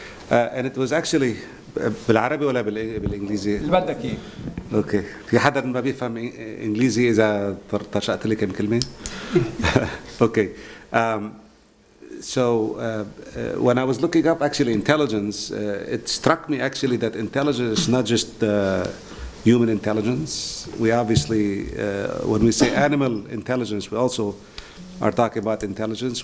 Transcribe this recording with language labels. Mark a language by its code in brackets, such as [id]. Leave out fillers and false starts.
[en] And it was actually in Arabic or in English? Okay. [ar] في حدا ما بيفهم إنجليزي إذا ترشقت لي كم كلمة. [en] Okay. So when I was looking up actually intelligence, it struck me actually that intelligence is not just human intelligence. We obviously, when we say animal intelligence, we also are talking about intelligence.